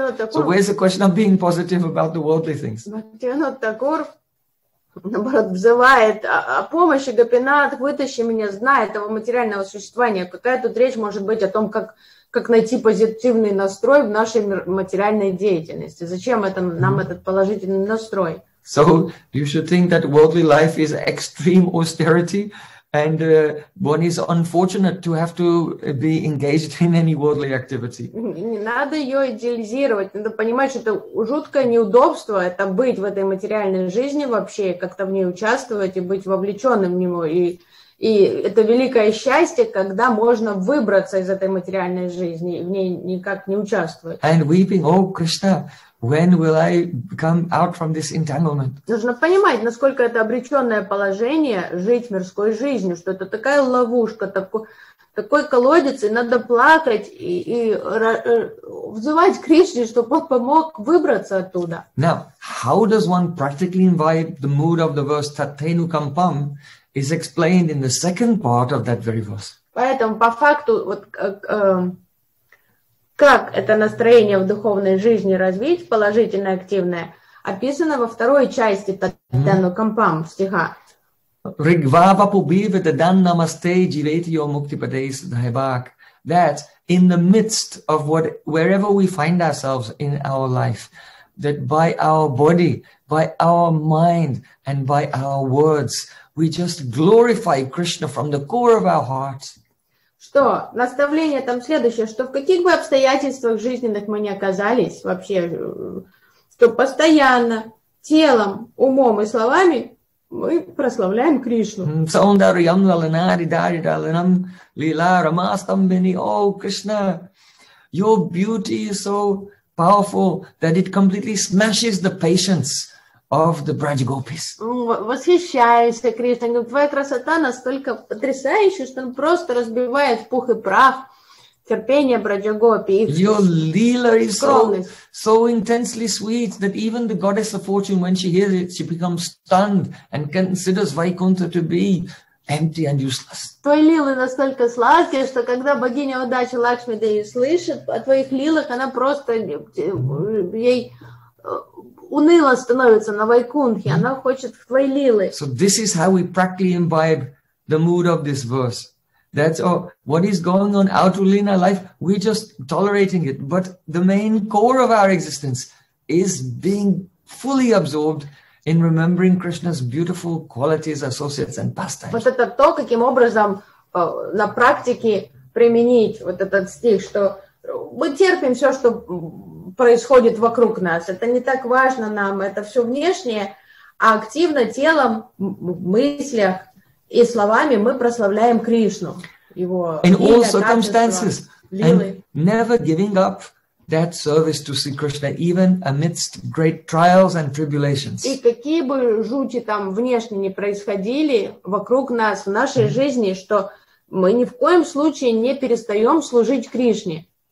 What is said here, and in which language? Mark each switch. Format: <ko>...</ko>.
<en>So where's the question of being positive about the worldly things?</en> <ru>Бхактинат Такур, наоборот, взывает о помощи, Гопинат, вытащи меня, знай этого материального существования. Какая тут речь может быть о том, как найти позитивный настрой в нашей материальной деятельности? Зачем это, нам этот положительный настрой?</ru> <en>So you should think that worldly life is extreme austerity. And one is unfortunate to have to be engaged in any worldly activity.</en> <ru>Не надо ее идеализировать. Надо понимать, что это жуткое неудобство, это быть в этой материальной жизни вообще, как-то в ней участвовать и быть вовлеченным в него. И это великое счастье, когда можно выбраться из этой материальной жизни и в ней никак не участвовать.</ru> <en>And weeping, oh, Krishna, when will I come out from this entanglement?</en> <ru>Нужно понимать, насколько это обреченное положение жить мирской жизнью, что это такая ловушка, такой колодец, и надо плакать и взывать Кришне, чтобы он помог выбраться оттуда.</ru> <en>Now, how does one practically invite the mood of the verse Tatenu Kampam is explained in the second part of that very verse.</en> <ru>Поэтому по факту вот как это настроение в духовной жизни развить, положительное, активное, описано во второй части Таттену Кампам стиха.</ru> <sa>Ригвава пубивита дан намасте дживетио муктипадейс дхайбак.</sa> <en>That in the midst of wherever we find ourselves in our life, that by our body, by our mind, and by our words, we just glorify Krishna from the core of our hearts.</en> <ru>Что наставление там следующее, что в каких бы обстоятельствах жизненных мы ни оказались вообще, что постоянно телом, умом и словами Мы прославляем Кришну.</ru> <sa>Саундарьям лалинари дари даланам лила рамастам бени.</sa> <en>О, Кришна, your beauty is so powerful that it completely smashes the patience of the Braj Gopis.</en> <ru>Восхищаюсь, Кришна, твоя красота настолько потрясающая, что она просто разбивает пух и прах терпение Браджа Гопи.</ru> <en>Your lila is so intensely sweet that even the goddess of fortune, when she hears it, she becomes stunned and considers Vaikuntha to be empty and useless.</en> <ru>Твои лилы настолько сладкие, что когда богиня удачи Лакшми Деви слышит о твоих лилах, она просто ей уныло становится на Вайкунтхе, она хочет в твои лилы.</ru> <en>So this is how we practically imbibe the mood of this verse. That's all. What is going on outwardly in our life, we're just tolerating it. But the main core of our existence is being fully absorbed in remembering Krishna's beautiful qualities, associates, and pastimes.</en> <ru>Вот это то, каким образом на практике применить вот этот стих, что мы терпим все, что происходит вокруг нас. Это не так важно нам, это все внешнее, а активно телом, мыслях, и словами мы прославляем Кришну, его</ru> <en>in all circumstances, and never giving up that service to see Krishna, even amidst great trials and tribulations.</en> <ru>И какие бы жути там внешне ни происходили вокруг нас в нашей жизни, что мы ни в коем случае не перестаем служить Кришне.</ru>